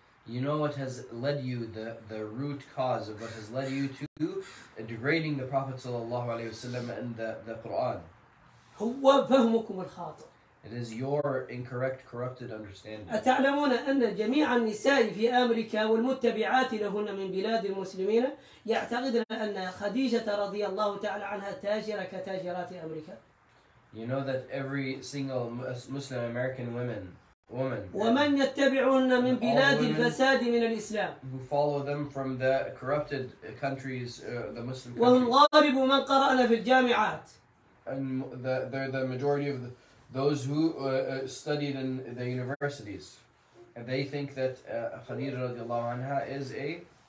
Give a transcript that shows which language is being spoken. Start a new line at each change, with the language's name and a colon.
English: You know what has led you, the root cause of what has led you to degrading the Prophet sallallahu alaihi wasallam and the Quran.
Arabic: هو فهمكم الخاطئ.
English: It is your incorrect, corrupted understanding.
Arabic: أتعلمون أن جميع النساء في أمريكا والمتبعات لهن من بلاد المسلمين يعتقدن أن خديجة رضي الله تعالى عنها تاجرة كتاجرات أمريكا.
English: You know that every single Muslim American woman.
Arabic: ومن يتبعون من بلاد الفساد من الإسلام.
English: Who follow them from the corrupted countries, the Muslim countries.
Arabic: وهم غالب من قرأنا في الجامعات.
English: And they're the majority of those who studied in the universities. And they think that Khadija radiallahu anha is a...